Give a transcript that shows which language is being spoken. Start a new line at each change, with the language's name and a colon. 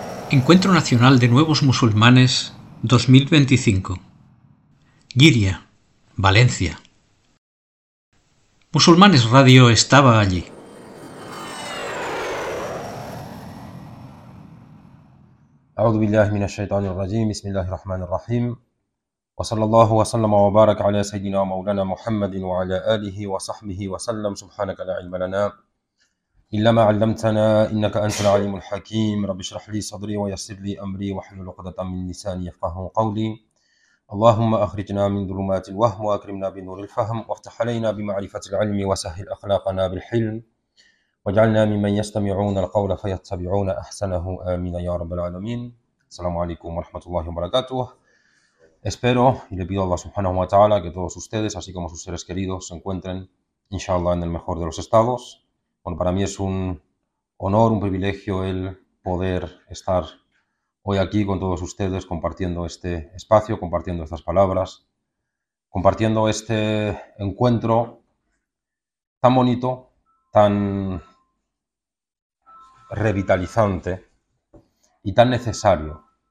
Spanish: Encuentro Nacional de Nuevos Musulmanes 2025. Giria, Valencia. Musulmanes Radio estaba allí.
Arabic: أعوذ بالله من الشيطان الرجيم بسم الله الرحمن الرحيم وصلى الله وسلم وبارك على سيدنا مولانا محمد وعلى آله وصحبه وسلم سبحانك لا علم لنا إلا ما علمتنا إنك أنت العليم الحكيم رب اشرح لي صدري ويسر لي أمري واحلل عقدة من لساني يفقهوا قولي اللهم أخرجنا من ظلمات الوهم وأكرمنا بنور الفهم وافتح علينا بمعرفة العلم وسهل أخلاقنا بالحلم وجعلنا ممن يستمعون القول فيتبعون أحسنه آمين يا رب العالمين السلام عليكم ورحمة الله وبركاته
Spanish: Espero y le pido a Allah subhanahu wa ta'ala que todos ustedes, así como sus seres queridos, se encuentren, inshallah, en el mejor de los estados. Bueno, para mí es un honor, un privilegio el poder estar hoy aquí con todos ustedes compartiendo este espacio, compartiendo estas palabras, compartiendo este encuentro tan bonito, tan revitalizante y tan necesario.